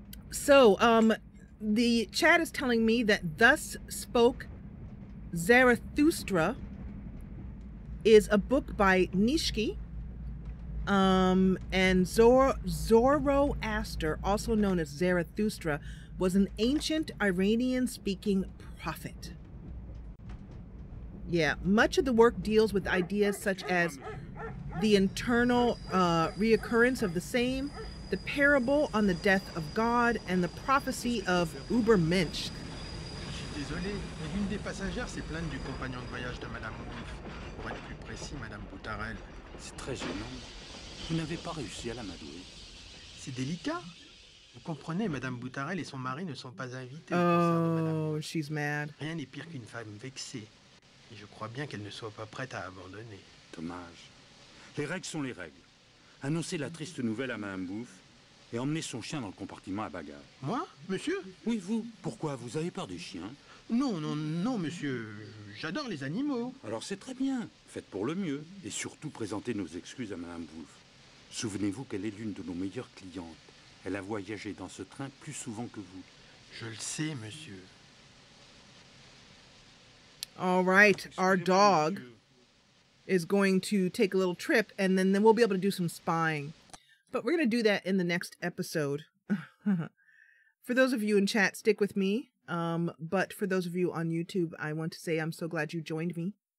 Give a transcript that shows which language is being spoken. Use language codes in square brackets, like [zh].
[en] So, the chat is telling me that Thus Spoke Zarathustra is a book by Nishki, and Zoroaster, also known as Zarathustra, was an ancient Iranian-speaking prophet. Yeah, much of the work deals with ideas such as the internal reoccurrence of the same, the parable on the death of God, and the prophecy of Ubermensch. [fr] Je suis désolé, mais une des passagères s'est plainte du compagnon de voyage de Madame Wolf. Pour être plus précis, Madame Boutarel. C'est très gênant. Vous n'avez pas réussi à l'amadouer. C'est délicat. Vous comprenez, Madame Boutarel et son mari ne sont pas invités. [en] Oh, she's mad. [fr] Rien n'est pire qu'une femme vexée. Et je crois bien qu'elle ne soit pas prête à abandonner. Dommage. Les règles sont les règles. Annoncez la triste nouvelle à Madame Bouffe et emmenez son chien dans le compartiment à bagages. Moi, monsieur? Oui, vous. Pourquoi? Vous avez peur des chiens? Non, non, non, monsieur. J'adore les animaux. Alors c'est très bien. Faites pour le mieux. Et surtout, présentez nos excuses à Madame Bouffe. Souvenez-vous qu'elle est l'une de nos meilleures clientes. Elle a voyagé dans ce train plus souvent que vous. Je le sais, monsieur. [en] All right, our dog is going to take a little trip, and then we'll be able to do some spying. But we're going to do that in the next episode. For those of you in chat, stick with me. But for those of you on YouTube, I want to say I'm so glad you joined me.